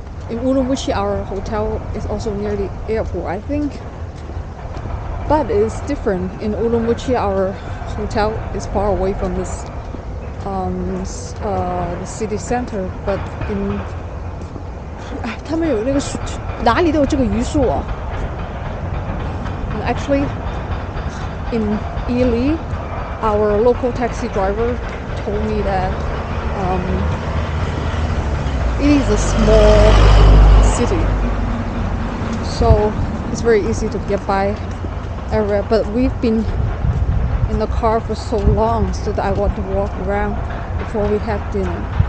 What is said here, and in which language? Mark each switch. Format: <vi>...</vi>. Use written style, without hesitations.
<en>In Urumqi, our hotel is also near the airport, I think. But it's different. In Urumqi, our hotel is far away from this, the city center. But in,</en> <zh>他们有那个树，哪里都有这个榆树啊。</zh> <en>And actually, in Ely, our local taxi driver told me that, it is a small city. So it's very easy to get by. Area, but we've been in the car for so long, so that I want to walk around before we have dinner.</en>